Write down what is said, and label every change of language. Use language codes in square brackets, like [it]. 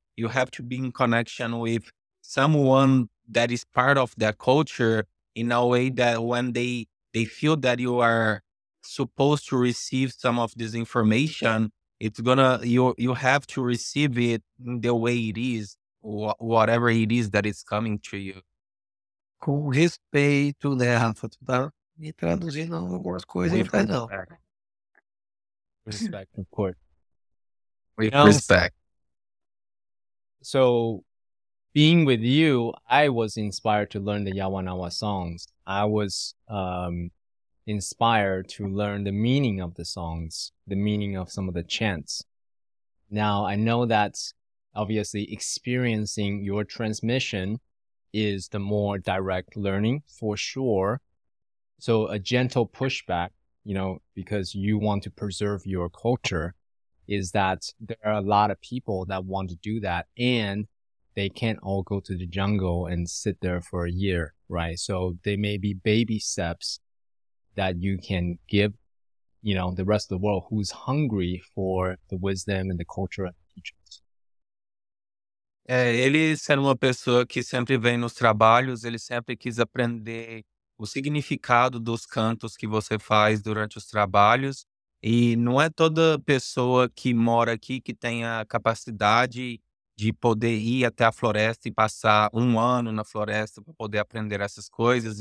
[en] You have to be in connection with someone that is part of that culture in a way that when they feel that you are supposed to receive some of this information, you have to receive it the way it is, whatever it is that is coming to you. [pt] Com respeito, né, Rafa? Tu tá me traduzindo algumas coisas, não faz não. [en] Respect, of course. With respect. So, being with you, I was inspired to learn the Yawanawa songs. I was inspired to learn the meaning of the songs, the meaning of some of the chants. Now, I know that obviously experiencing your transmission is the more direct learning for sure. So a gentle pushback, you know, because you want to preserve your culture, is that there are a lot of people that want to do that and they can't all go to the jungle and sit there for a year, right? So they may be baby steps that you can give, you know, the rest of the world who's hungry for the wisdom and the culture and teachings. [pt] É, ele sendo uma pessoa que sempre vem nos trabalhos, ele sempre quis aprender o significado dos cantos que você faz durante os trabalhos. E não é toda pessoa que mora aqui que tem a capacidade de poder ir até a floresta e passar um ano na floresta para poder aprender essas coisas.